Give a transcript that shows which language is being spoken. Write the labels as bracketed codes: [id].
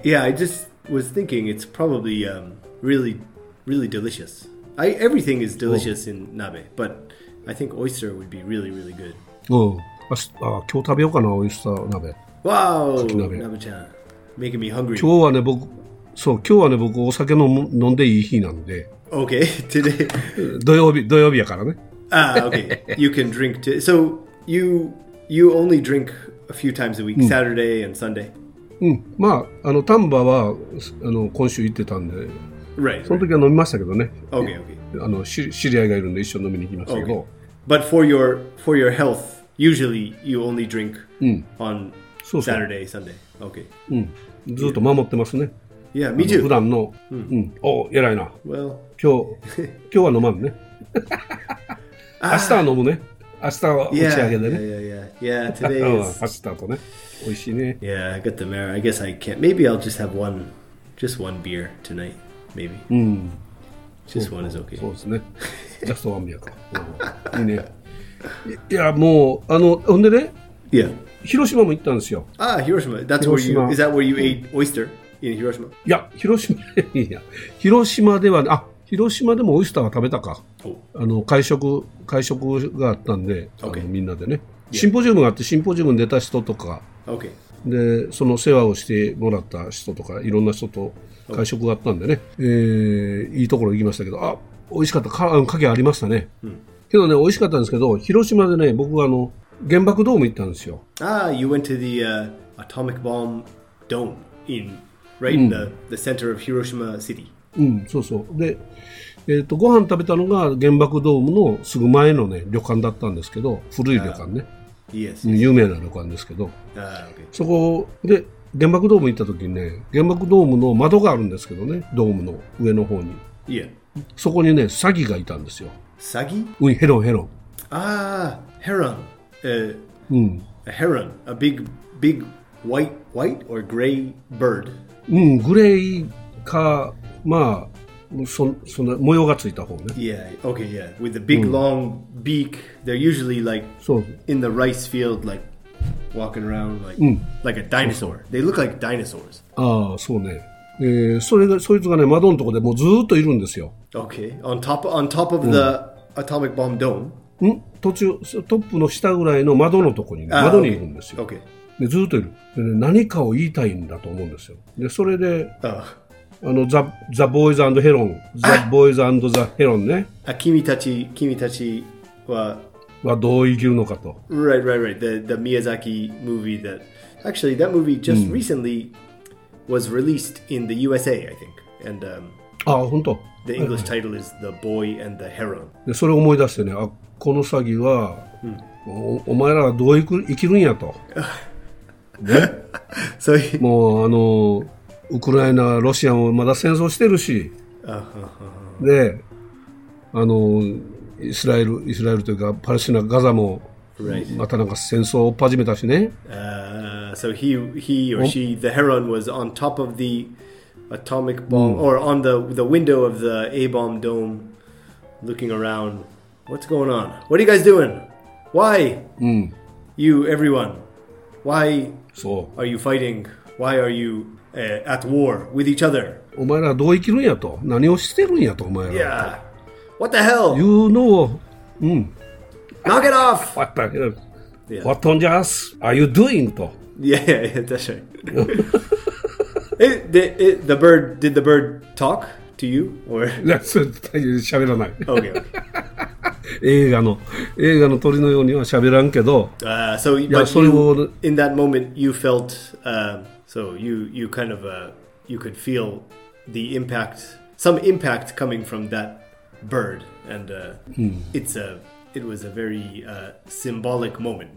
[en] Yeah, I just was thinking it's probably really, really delicious. Everything is delicious in 鍋, but I think oyster would be really, really good. [ja] うん。今日食べようかな、オイスター鍋。 [en] Wow! 鍋ちゃん、making me hungry. [ja] 今日はね、僕、そう、今日はね、僕、お酒飲んでいい日なんで。 [en] Okay, today. [ja] 土曜日やからね。 [en] okay. You can drink too. So you only drink a few times a week,、うん、Saturday and Sunday. [ja] うん。まあ、丹波は今週行ってたんで、 [en] right, [ja] その時は飲みましたけどね。 [en] Right. Okay, okay. [ja] 知り合いがいるんで一緒に飲みに行きましたけど。 [en] Okay. But for your health, usually you only drink、 [ja] うん、 [en] on Saturday, [ja] そうそう [en] Sunday. Okay. [ja] うん。ずっと守ってますね。 [en] Yeah, me too. [ja] 普段の、mm. うん、お、偉いな。 [en] Well, [ja] 今日は飲まんね。明日は飲むね。明日は打ち上げでね。 [en] Yeah, today is... [ja] 明日とね。おいしいね。 [en] Yeah, I got the mare. I guess I can't. Maybe I'll just have one, just one beer tonight. Maybe. [ja] うん。 [en] Just one is okay. [ja] そうですね。 [en] Just one beer [ja] か。いいね。いや、もう、あの、ほんでね。 [en] Yeah. [ja] 広島も行ったんですよ。ああ、広島。 [en] That's where you, is that where you ate oyster in 広島？ [ja] いや、広島、いや、広島では、あ、広島でもオイスターは食べたか。あの、会食があったんで、 [en] okay. [ja] みんなでね。シンポジウムがあって、シンポジウムに出た人とか、 [en] okay. [ja] で、その世話をしてもらった人とか、いろんな人と会食があったんでね、okay. いいところ行きましたけど、あ、美味しかった。カキありましたね。けどね、美味しかったんですけど、広島でね、僕はあの、原爆ドーム行ったんですよ。 [en] Ah, you went to the、atomic bomb dome in right in、うん、the center of Hiroshima city. [ja] うん、そうそう。で、ご飯食べたのが原爆ドームのすぐ前のね旅館だったんですけど、古い旅館ね。 [en] Yes, yes. [ja] 有名な旅館ですけど。 [en] Okay. [ja] そこで原爆ドーム行った時にね、原爆ドームの窓があるんですけどね、ドームの上の方に。 [en] Yeah. [ja] そこにね、サギがいたんですよ。サギ？うん、ヘロン。 [en] Ah, Heron. [ja] うん、 [en] a heron, a big, big white or gray bird. [ja] うん、グレーか、まあ、そんな模様がついた方ね。 [en] Yeah, okay, yeah. With a big、うん、long beak, they're usually like in the rice field, like walking around like,、 [ja] うん、 [en] like a dinosaur. They look like dinosaurs. [ja] ああ、そうね。それがそいつがね、窓のとこでもうずっといるんですよ。 [en] Okay, on top of、うん、the atomic bomb dome. [ja] ん途中トップの下ぐらいの窓のとこに、ね、窓にいるんですよ、 [en] okay. [ja] でずっといるで、ね、何かを言いたいんだと思うんですよ。でそれで、 [en] oh. [ja] あのザ・ボーイズ&ヘロン、ザ・ボーイズ&ザ・ヘロンね、あ、君たちはどう生きるのかと、 [en] right right right the Miyazaki movie that actually that movie just recently、うん、was released in the USA I think and、 [ja] あ本当、 [en] the English title is The Boy and the Heron。 [ja] でそれを思い出してね、あ、このサギは、うん、お前らはどう生きるんやと、ね、そういうもうあのウクライナロシアもまだ戦争してるし、で、あのイスラエルというかパレスチナガザも、 [en] right. [ja] またなんか戦争を始めたしね。 [en] So he or she, the heron was on top of the atomic bomb、うん、or on the window of the A-bomb dome looking aroundWhat's going on? What are you guys doing? Why?、 [ja] うん、 [en] you, everyone. Why [ja] そう [en] are you fighting? Why are you、at war with each other? [ja] お前らどう生きるんやと。何をしてるんやと、お前らと。 [en] Yeah. What the hell? You know.、うん、 Knock it off! What the hell?、Yeah. What on earth are you doing? と。 Yeah, that's right. did the bird talk to you? Or? That's it. Shabby don't mind. Okay, okay. [ja] 映画の鳥のようには喋らんけど、 [en] so, but you, in that moment you felt、so you kind of、you could feel the impact, some impact coming from that bird and、it was a very、symbolic moment.